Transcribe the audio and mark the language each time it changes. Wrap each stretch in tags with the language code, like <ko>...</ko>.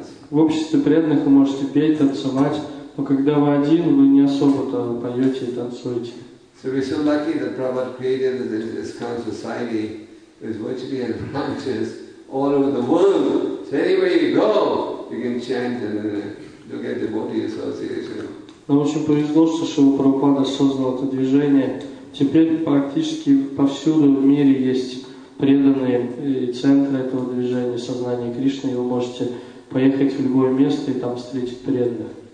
<ru>В обществе преданных вы можете петь, танцевать, но когда вы один, вы не особо-то поете и танцуете.</ru> <en>So we're so lucky that Prabhupada created this ISKCON society with virtually and branches all over the world. So anywhere you go, you can chant and look at the devotee association.</en> <ru>Нам очень повезло, что Шрила Прабхупада создал это движение. Теперь практически повсюду в мире есть преданные центры этого движения сознания Кришны, и вы можете поехать в любое место и там встретить преданных.</ru>